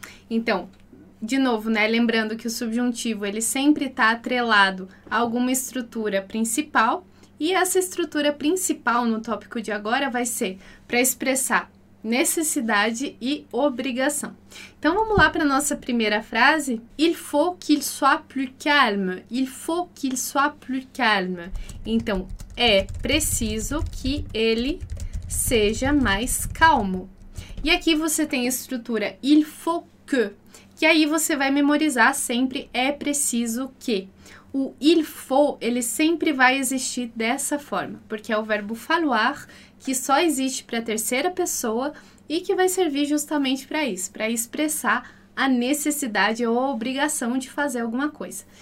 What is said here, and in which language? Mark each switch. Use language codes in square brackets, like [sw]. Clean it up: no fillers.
[pt] Então, de novo, né, lembrando que o subjuntivo, ele sempre está atrelado a alguma estrutura principal, e essa estrutura principal no tópico de agora vai ser para expressar necessidade e obrigação. Então, vamos lá para a nossa primeira frase. [fr] Il faut qu'il soit plus calme. Il faut qu'il soit plus calme. [pt] Então, é preciso que ele seja mais calmo. E aqui você tem a estrutura [fr] il faut que [pt] aí você vai memorizar sempre é preciso que. O il faut, ele sempre vai existir dessa forma, porque é o verbo falar que só existe para a terceira pessoa e que vai servir justamente para isso, para expressar a necessidade ou a obrigação de fazer alguma coisa.